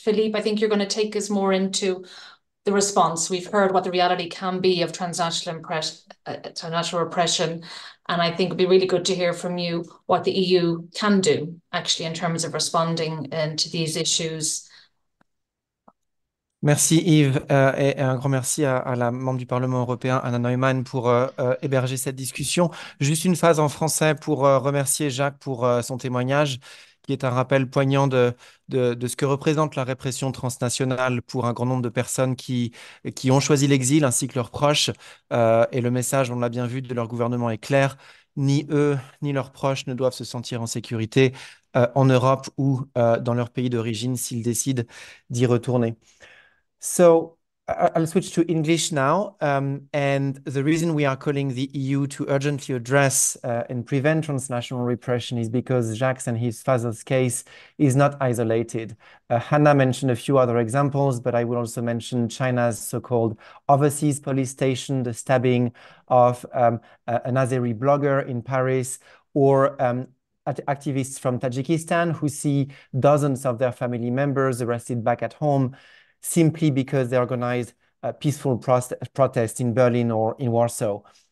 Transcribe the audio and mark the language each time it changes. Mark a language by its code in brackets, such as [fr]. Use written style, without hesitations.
[en] Philippe, I think you're going to take us more into the response. We've heard what the reality can be of transnational repression, and I think it'd be really good to hear from you what the EU can do actually in terms of responding to these issues. [fr] Merci Yves et un grand merci à la membre du Parlement européen, Anna Neumann, pour héberger cette discussion. Juste une phrase en français pour remercier Jacques pour son témoignage, qui est un rappel poignant de ce que représente la répression transnationale pour un grand nombre de personnes qui ont choisi l'exil ainsi que leurs proches. Et le message, on l'a bien vu, de leur gouvernement est clair. Ni eux, ni leurs proches ne doivent se sentir en sécurité en Europe ou dans leur pays d'origine s'ils décident d'y retourner. [en] So I'll switch to English now. And the reason we are calling the EU to urgently address and prevent transnational repression is because Jacques and his father's case is not isolated. Hannah mentioned a few other examples, but I will also mention China's so-called overseas police station, the stabbing of an Azeri blogger in Paris, or activists from Tajikistan who see dozens of their family members arrested back at home, simply because they organized a peaceful protest in Berlin or in Warsaw.